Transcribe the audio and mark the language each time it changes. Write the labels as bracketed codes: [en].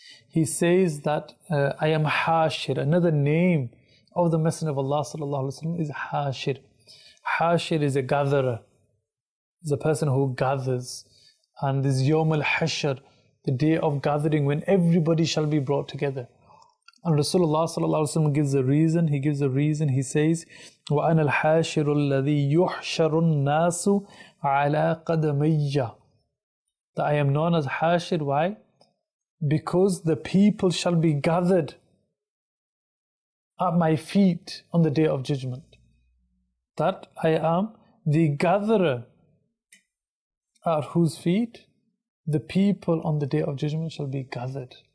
[en] He says that I am hashir. Another name of the Messenger of Allah sallallahu alayhi wa sallam is hashir. Hashir is a gatherer. It's a person who gathers. And this yawm al-hashir, the day of gathering when everybody shall be brought together. And Rasulullah sallallahu alayhi wa sallam gives a reason. He gives a reason. [ar] He says, وَأَنَا الْحَاشِرُ الَّذِي يُحْشَرُ النَّاسُ عَلَىٰ قَدَمَيَّ. [en] That I am known as Hashir. Why? Because the people shall be gathered at my feet on the day of judgment. That I am the gatherer at whose feet the people on the day of judgment shall be gathered.